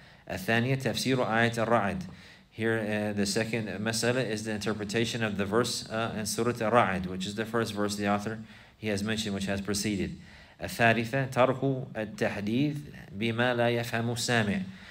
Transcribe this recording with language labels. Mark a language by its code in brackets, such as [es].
[ar] الثانية تفسير آية الرعد. [en] Here, the second mas'ala is the interpretation of the verse in Surah Ar-Ra'd, which is the first verse the author he has mentioned, which has preceded. [ar] الثالثة تركوا التحديث بما لا يفهم السامع.